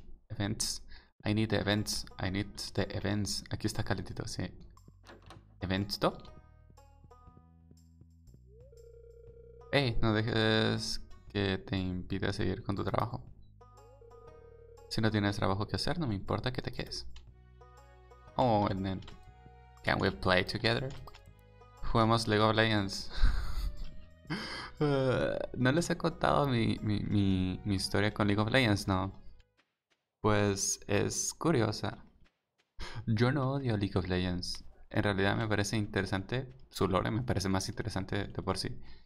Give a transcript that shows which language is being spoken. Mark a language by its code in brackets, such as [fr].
[en] Events. I need the events. I need the events. [es] Aquí está calentito, sí. [en] The [es] Event Hey, no dejes que te impida seguir con tu trabajo. Si no tienes trabajo que hacer, no me importa que te quedes. [en] Oh, and then, can we play together? [es] Juguemos League of Legends. No les he contado mi historia con League of Legends, ¿no? Pues es curiosa. Yo no odio League of Legends. En realidad me parece interesante, su lore me parece más interesante de por sí.